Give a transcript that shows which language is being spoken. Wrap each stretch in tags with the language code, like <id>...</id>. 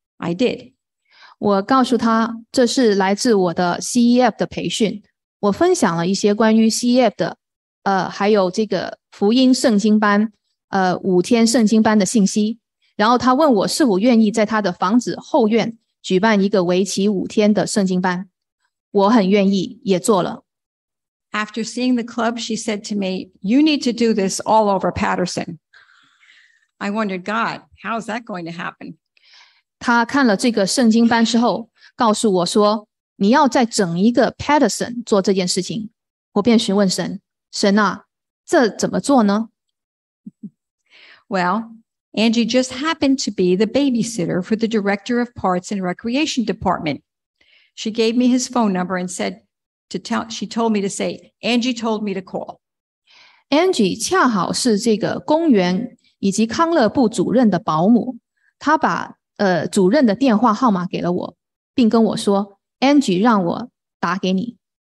<en>I did.</en> <zh>我告诉她这是来自我的 CEF 的培训。我分享了一些关于 CEF 的，还有这个福音圣经班，五天圣经班的信息。然后她问我是否愿意在她的房子后院举办一个为期五天的圣经班，我很愿意，也做了。</zh> <en>After seeing the club, she said to me, "You need to do this all over Patterson." I wondered, God, how is that going to happen?</en> <zh>她看了这个圣经班之后，告诉我说，你要在整一个 Patterson 做这件事情。我便询问神，神啊，这怎么做呢？</zh> <en>Well,Angie just happened to be the babysitter for the director of parts and recreation department. She gave me his phone number and said to tell, she told me to say, Angie told me to call.</en> <zh>Angie 恰好是这个公园以及康乐部主任的保姆，她把主任的电话号码给了我，并跟我说 Angie 让我打给你。</zh>